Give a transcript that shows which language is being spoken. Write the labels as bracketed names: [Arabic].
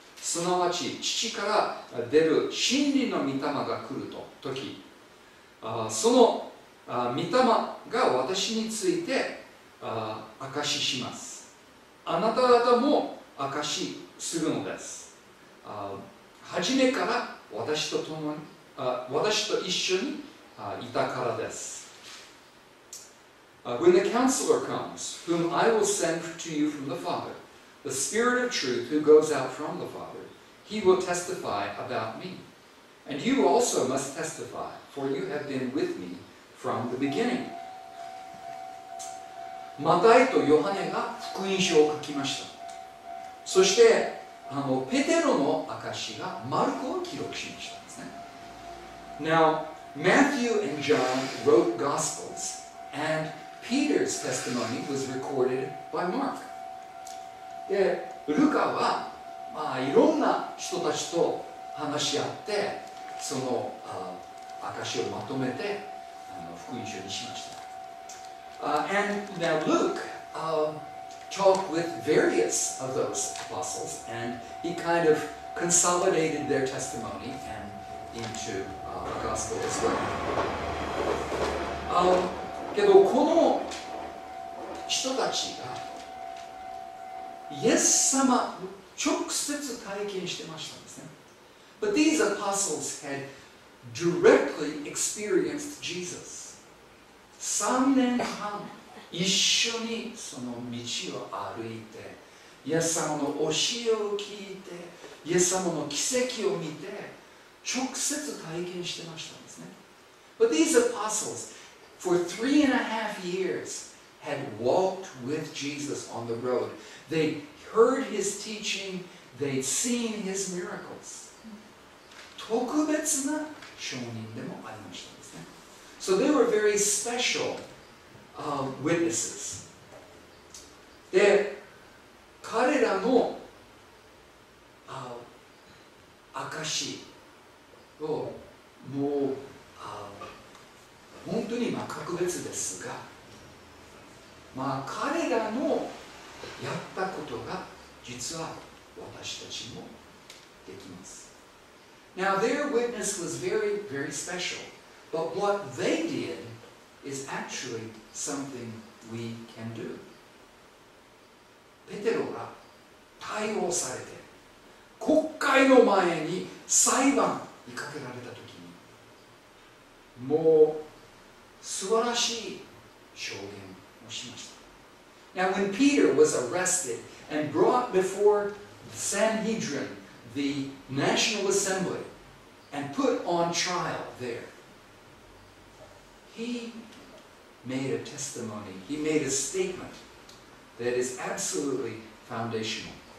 [Japanese] すなわち父から出る真理の御霊が来ると時、その御霊が私について証しします。あなた方も証しするのです。初めから私と共に私と一緒にいたからです。 [English] When the counselor comes, whom I will send to you from the Father, the Spirit of truth who goes out from the Father,He will testify about me. And you also must testify, for you have been with me from the beginning. [Japanese] マタイとヨハネが福音書を書きました。そしてペテロの証がマルコを記録しましたですね。 [English] Now, Matthew and John wrote Gospels, and Peter's testimony was recorded by Mark. [Japanese] で、ルカはまあ、いろんな人たちと話し合ってその証しをまとめて福音書にしました。 [English] And now Luke talked with various of those apostles and he kind of consolidated their testimony and into the gospel as well. [Japanese] けどこの人たちがイエス様直接体験してましたんですね。 [English] But these apostles had directly experienced Jesus. [Japanese] 3年半一緒にその道を歩いて、イエス様の教えを聞いて、イエス様の奇跡を見て、直接体験してましたんですね。 [English] But these apostles, for 3.5 years, had walked with Jesus on the road. They heard his teaching, they'd seen his miracles. [Japanese] 特別な証人でもありましたんですね。 [English] So they were very special witnesses. [Japanese] で、彼らの証しをもう本当にまあ格別ですが、まあ彼らのやったことが実は私たちもできます。 [English] Now, their witness was very, very special, but what they did is actually something we can do. [Japanese] ペテロが対応されて、会の前に裁判にかけられた時に、もう素晴らしい証言をしました。 [English] Now when Peter was arrested and brought before the Sanhedrin, the National Assembly, and put on trial there, he made a testimony, he made a statement that is absolutely foundational.